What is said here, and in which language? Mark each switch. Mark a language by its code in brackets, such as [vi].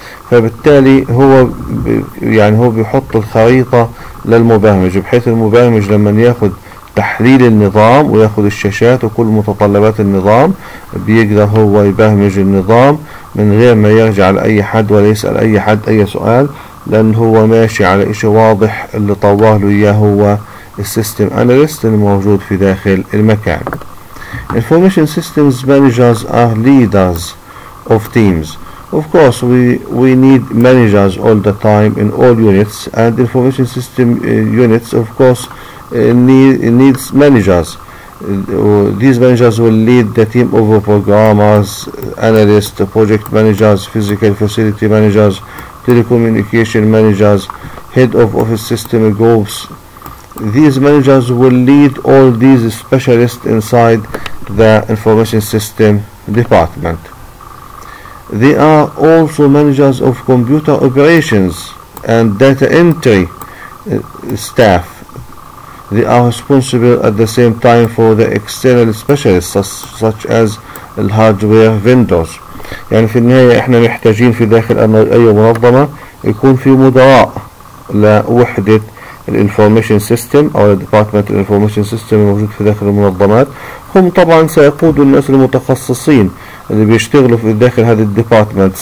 [ar] فبالتالي هو يعني هو بيحط الخريطة للمبرمج بحيث المبرمج لما ياخذ تحليل النظام وياخذ الشاشات وكل متطلبات النظام بيقدر هو يبرمج النظام من غير ما يرجع لأي حد ولا يسأل أي حد أي سؤال, لأن هو ماشي على إشي واضح اللي طواه له إياه هو السيستم أناليست الموجود في داخل المكان. [en] Information systems managers are leaders of teams. Of course we need managers all the time in all units, and information system units of course needs managers. These managers will lead the team of programmers, analysts, project managers, physical facility managers, telecommunication managers, head of office system groups. These managers will lead all these specialists inside the information system department. They are also managers of computer operations and data entry staff. They are responsible at the same time for the external specialists such as the hardware vendors. [ar] يعني في النهاية احنا محتاجين في داخل اي منظمة يكون في مدراء لوحدة الانفورميشن سيستم او الديبارتمنت الانفورميشن سيستم الموجود في داخل المنظمات. هم طبعا سيقودوا الناس المتخصصين اللي بيشتغلوا في داخل هذه الديبارتمنت.